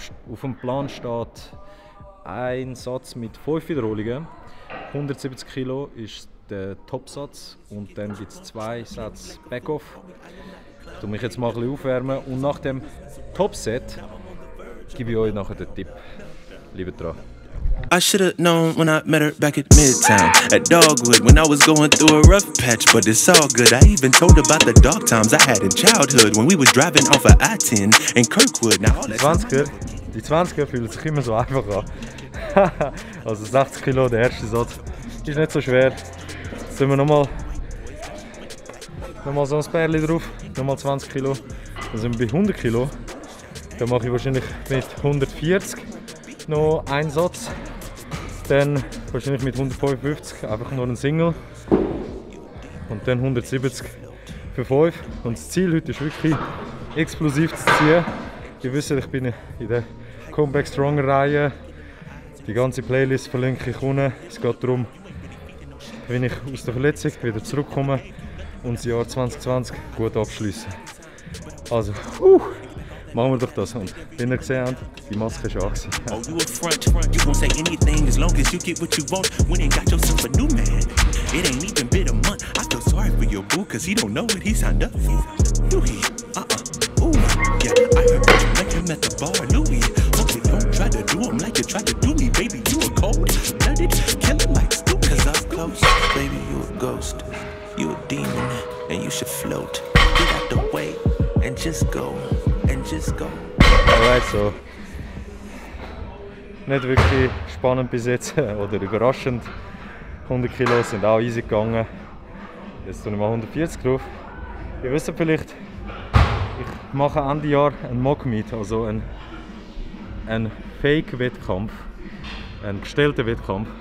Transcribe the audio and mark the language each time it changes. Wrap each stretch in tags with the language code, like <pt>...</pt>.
<de>Auf dem Plan steht ein Satz mit 5 Wiederholungen. 170 Kilo ist der Top-Satz und dann gibt es 2 Sätze Back-Off. Ich tue mich jetzt mal ein bisschen aufwärmen und nach dem Top-Set gebe ich euch nachher den Tipp. Liebe dran.</de> <en>I should have known when I met her back at Midtown at Dogwood when I was going through a rough patch, but it's all good. I even told about the dark times I had in childhood when we was driving off of I-10 in Kirkwood.</en> <de>Now, die 20er fühlt sich immer so einfach an. Also 60 Kilo, der erste Satz, ist nicht so schwer. Jetzt tun wir nochmal so ein Pärchen drauf, nochmal 20 Kilo. Dann sind wir bei 100 Kilo. Dann mache ich wahrscheinlich mit 140 noch einen Satz. Dann wahrscheinlich mit 155 einfach nur ein Single und dann 170 für 5. Und das Ziel heute ist wirklich explosiv zu ziehen. Ihr wisst, ich bin in der Comeback Stronger Reihe. Die ganze Playlist verlinke ich unten. Es geht darum, wenn ich aus der Verletzung wieder zurückkomme und das Jahr 2020 gut abschliesse. Also, machen wir doch das. Und wenn ihr gesehen habt, die Maske ist auch.</de> <en>Oh, you a front, you won't say anything as long as you get what you want. When ain't got yourself a new man, it ain't even been a month. I feel sorry for your boo, cause he don't know what he signed up for. Louis, ooh, yeah, I heard you like him at the bar, Louis. Okay, don't try to do him like you tried to do me, baby. You a cold blooded killer like Stu, cause I'm close. Baby, you a ghost, you a demon, and you should float. Get out the way and just go.</en> <de>Alright, so nicht wirklich spannend bis jetzt oder überraschend. 100 Kilo sind auch easy gegangen. Jetzt tue ich mal 140 drauf. Ihr wisst ja vielleicht, ich mache Ende Jahr einen Mock-Meet, also einen Fake-Wettkampf, einen gestellten Wettkampf.</de>